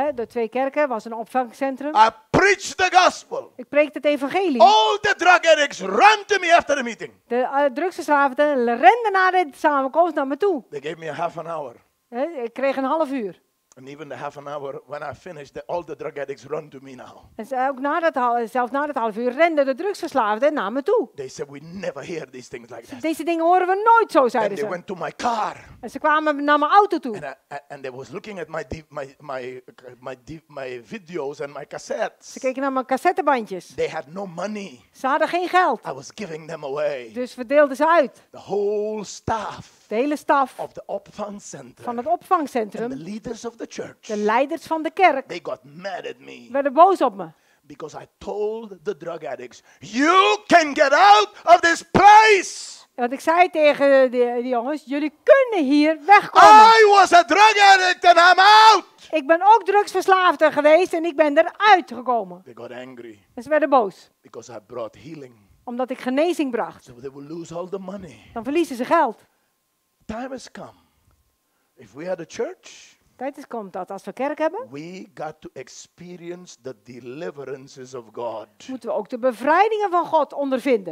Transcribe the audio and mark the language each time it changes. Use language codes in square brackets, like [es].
[nl] De twee kerken was een opvangcentrum. [en] I preached the gospel. [nl] Ik preekte het evangelie. [en] All the drug addicts ran to me after the meeting. [nl] De drugsverslaafden renden naar de samenkomst naar me toe. [en] They gave me a half an hour. [nl] Ik kreeg een half uur. [en] And even the half an hour when I finished, all the drug addicts run to me now. [nl] En ook zelfs na dat half uur renden de drugsverslaafden naar me toe. [en] They said we never hear these things like that. [nl] Deze dingen horen we nooit zo, zeiden ze. [en] And they went to my car. [nl] En ze kwamen naar mijn auto toe. [en] And they was looking at my videos and my cassettes. [nl] Ze keken naar mijn cassettebandjes. [en] They had no money. [nl] Ze hadden geen geld. [en] I was giving them away. [nl] Dus verdeelden ze uit. [en] The whole staff. [nl] De hele staf [en] of the opvangcenter, [nl] van het opvangcentrum, [en] and the leaders of the church, [nl] de leiders van de kerk, [en] they got mad at me, [nl] werden boos op me. [en] Because I told the drug addicts, you can get out of this place. [nl] Want ik zei tegen de jongens, jullie kunnen hier wegkomen. [en] I was a drug addict and I'm out. [nl] Ik ben ook drugsverslaafde geweest en ik ben eruit gekomen. [en] They got angry. [nl] En ze werden boos. [en] Because I brought healing. [nl] Omdat ik genezing bracht. [en] So they will lose all the money. [nl] Dan verliezen ze geld. [en] Time has come. If we are the church, [nl] tijd is komt dat als we kerk hebben, [en] we got to experience the deliverances of God. [nl] Moeten we ook de bevrijdingen van God ondervinden?